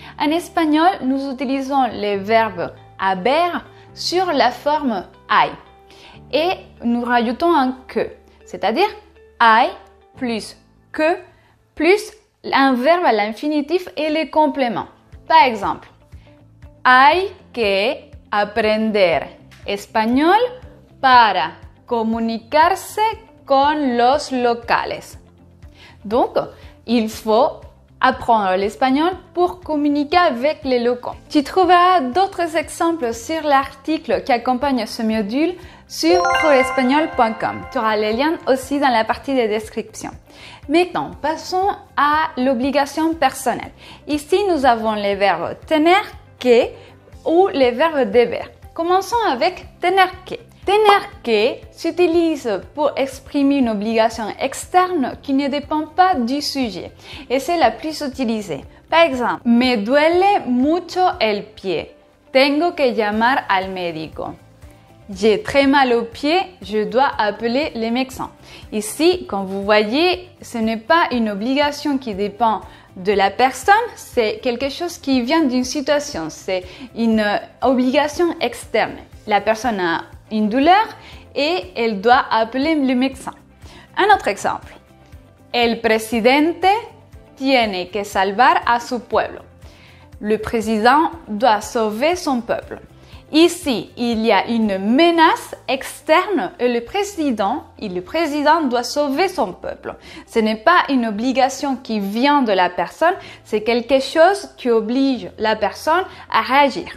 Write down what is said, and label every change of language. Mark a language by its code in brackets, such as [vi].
[fr] En espagnol, nous utilisons les verbes haber sur la forme hay et nous rajoutons un que, c'est-à-dire hay plus que, plus un verbe à l'infinitif et les compléments. Par exemple, [es] hay que aprender español para comunicarse con los locales. [fr] Donc, il faut apprendre l'espagnol pour communiquer avec les locaux. Tu trouveras d'autres exemples sur l'article qui accompagne ce module sur proespagnol.com. Tu auras les liens aussi dans la partie des descriptions. Maintenant, passons à l'obligation personnelle. Ici, nous avons les verbes tener que ou les verbes deber. Commençons avec tener que. Tener que s'utilise pour exprimer une obligation externe qui ne dépend pas du sujet et c'est la plus utilisée. Par exemple, [es] me duele mucho el pie. Tengo que llamar al médico. [fr] J'ai très mal au pied, je dois appeler les médecins. Ici, comme vous voyez, ce n'est pas une obligation qui dépend de la personne, c'est quelque chose qui vient d'une situation, c'est une obligation externe. La personne a une douleur et elle doit appeler le médecin. Un autre exemple. [es] El presidente tiene que salvar a su pueblo. [fr] Le président doit sauver son peuple. Ici, il y a une menace externe et le président doit sauver son peuple. Ce n'est pas une obligation qui vient de la personne, c'est quelque chose qui oblige la personne à réagir.